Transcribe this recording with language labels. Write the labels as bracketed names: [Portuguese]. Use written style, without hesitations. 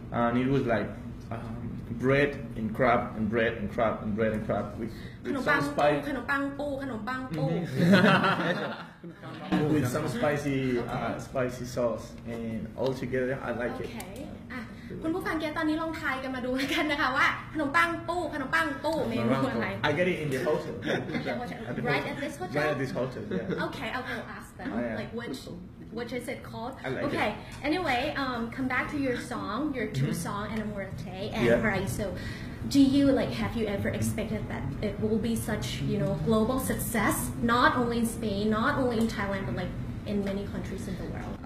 [English] And it was like bread and crab and bread and crab and bread and crab with some spice. With some spicy sauce and all together, I like okay. it. Okay. [Thai] คุณผู้ฟังเกียร์ตอนนี้ลองทายกันมาดูกันนะคะว่าขนมปังปูขนมปังปูเมนูอะไร [English] I get it in the hotel right at this hotel yeah. okay I'll go ask them like which is it called like okay it. Anyway come back to your song your two song and Amor Te and yeah. right so do you like have you ever expected that it will be such you know global success not only in Spain not only in Thailand but like in many countries in the world